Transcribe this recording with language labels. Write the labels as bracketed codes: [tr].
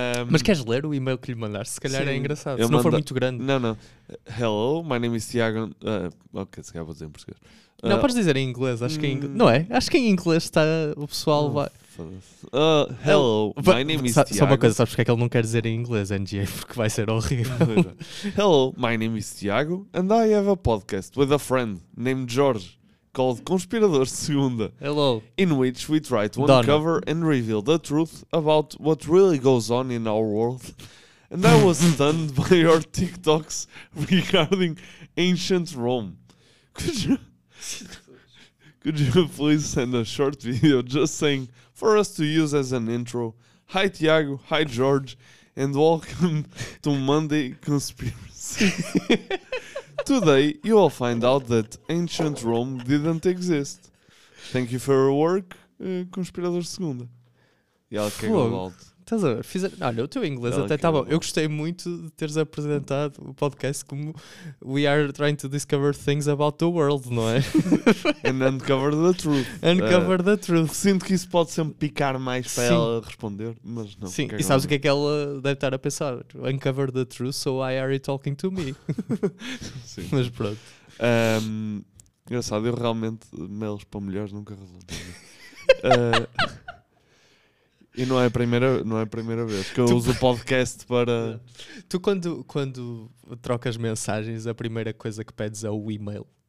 [pt] Mas queres ler o e-mail que lhe mandaste? Se calhar sim, é engraçado, se não for muito grande. Não. [en] Hello, my name is Tiago... [pt] Ok, se calhar vou dizer em português. Não, podes dizer em inglês, acho que em inglês... Não é? Acho que em inglês está o pessoal... vai. [en] Hello, my name is Tiago... [pt] Só uma coisa, sabes porque é que ele não quer dizer em inglês, NGA, porque vai ser horrível. [en] Hello, my name is Tiago, and I have a podcast with a friend named Jorge, called Conspirador Segunda. Hello. In which we try to uncover and reveal the truth about what really goes on in our world. And I was stunned by your TikToks regarding ancient Rome. Could you please send a short video just saying for us to use as an intro? Hi Tiago, hi George, and welcome to Monday Conspiracy. Today you will find out that ancient Rome didn't exist. Thank you for your work, Conspirador Segunda. [pt] E ela caiu logo. Estás a ver? Olha, o teu inglês até está bom. Eu gostei muito de teres apresentado o podcast como [en] We are trying to discover things about the world, [pt] não é? [en] And uncover the truth. Uncover the truth. [pt] Sinto que isso pode sempre picar mais para ela responder, mas não. Sim, e sabes o que é que ela deve estar a pensar? [en] Uncover the truth, so why are you talking to me? [pt] Sim. Mas pronto. Engraçado, eu realmente, mails para mulheres nunca resolvi. E não é a primeira vez que eu uso o podcast para... Tu quando trocas mensagens, a primeira coisa que pedes é o e-mail.